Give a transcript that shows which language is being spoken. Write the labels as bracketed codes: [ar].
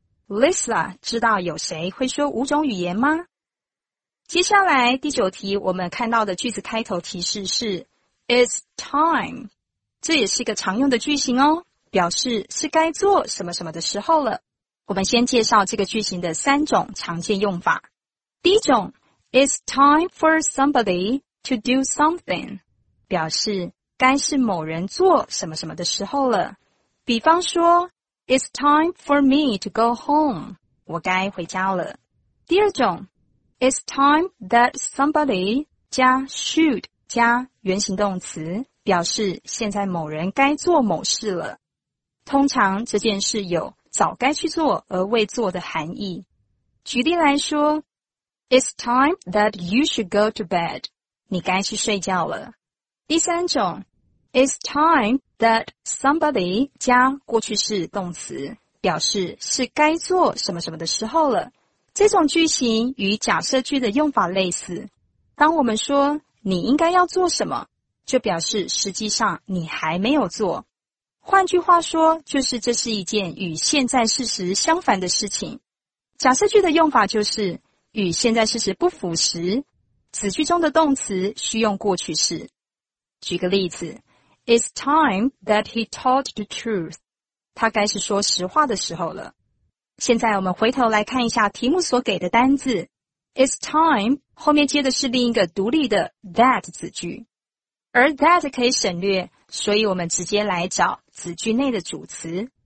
[zh] Lisa 知道有谁会说五种语言吗？接下来第九题，我们看到的句子开头提示是It's time， 这也是一个常用的句型哦，表示是该做什么什么的时候了。我们先介绍这个句型的三种常见用法。第一种 [en] It's time for somebody to do something， [zh] 表示该是某人做什么什么的时候了。比方说 [en] It's time for me to go home， [zh] 我该回家了。第二种 [en] It's time that somebody [zh] 加 should加原形动词，表示现在某人该做某事了。通常这件事有早该去做而未做的含义。举例来说 [en] ,It's time that you should go to bed. [zh] 你该去睡觉了。第三种 ,It's time that somebody 加过去式动词表示是该做什么什么的时候了。这种句型与假设句的用法类似。当我们说你应该要做什么，就表示实际上你还没有做。换句话说，就是这是一件与现在事实相反的事情。假设句的用法就是与现在事实不符时，子句中的动词需用过去式。举个例子 [en] ,It's time that he told the truth. [zh] 他该是说实话的时候了。现在我们回头来看一下题目所给的单字。 It's time, 后面接的是另一个独立的 that 子句。而 that 可以省略，所以我们直接来找子句内的主词。